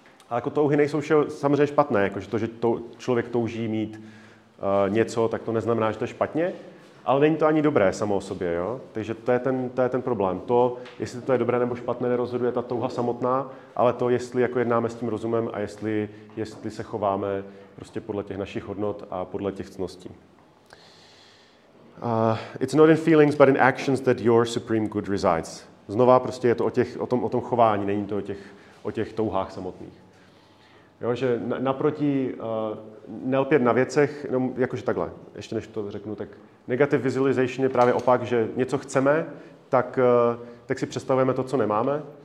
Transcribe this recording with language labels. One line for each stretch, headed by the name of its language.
Czech: A jako touhy nejsou samozřejmě špatné, jakože to, že člověk touží mít něco, tak to neznamená, že to je špatně. Ale není to ani dobré samo o sobě, jo? Takže to je ten problém. To, jestli to je dobré nebo špatné, nerozhoduje ta touha samotná, ale to, jestli jako jednáme s tím rozumem a jestli se chováme prostě podle těch našich hodnot a podle těch cností.
English: It's not in feelings, but in actions that your supreme good resides.
Czech: Znova prostě je to o tom chování, není to o těch touhách samotných. Jo, že naproti nelpět na věcech, no, jakože takhle, ještě než to řeknu, tak negative visualization je právě opak, že něco chceme, tak si představujeme to, co nemáme.